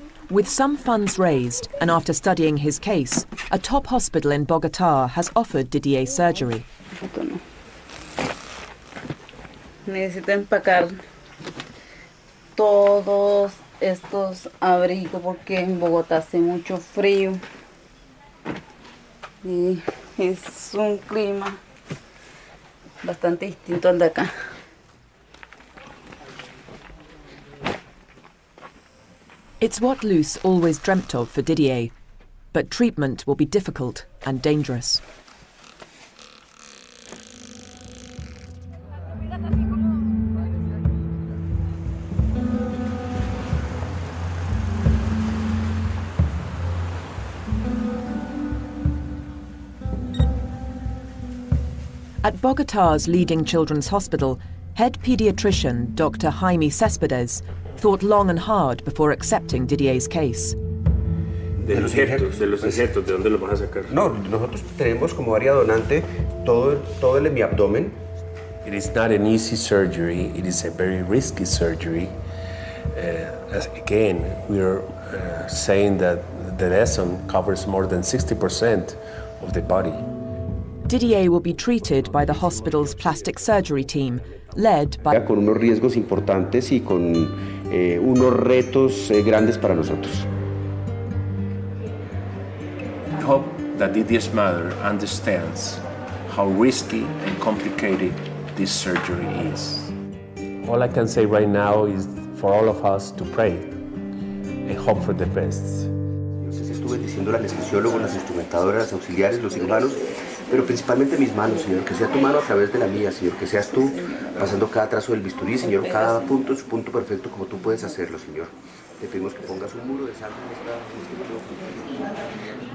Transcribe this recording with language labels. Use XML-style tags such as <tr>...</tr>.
<en>With some funds raised and after studying his case, a top hospital in Bogotá has offered Didier surgery.</en> <es>Necesito empacar todos estos abrigos porque en Bogotá hace mucho frío. Y es un clima bastante distinto al de acá.</es> <en>It's what Luz always dreamt of for Didier, but treatment will be difficult and dangerous. At Bogotá's leading children's hospital, head pediatrician Dr. Jaime Cespedes thought long and hard before accepting Didier's case.</en> <es>De los injertos, ¿de dónde lo vas a sacar? No, nosotros tenemos como área donante todo el hemiabdomen.</es> <en>It is not an easy surgery. It is a very risky surgery. Again, we are saying that the lesion covers more than 60% of the body. Didier will be treated by the hospital's plastic surgery team, led by...</en> <es>Con unos riesgos importantes y con unos retos grandes para nosotros.</es> <en>I hope that Didier's mother understands how risky and complicated this surgery is. All I can say right now is for all of us to pray and hope for the best.</en> <es>Estuve diciendo al anestesiólogo, las instrumentadoras, auxiliares, los cirujanos, pero principalmente mis manos, Señor, que sea tu mano a través de la mía, Señor, que seas tú pasando cada trazo del bisturí, Señor, cada punto es un punto perfecto como tú puedes hacerlo, Señor. Te pedimos que pongas un muro de sal en esta...</es>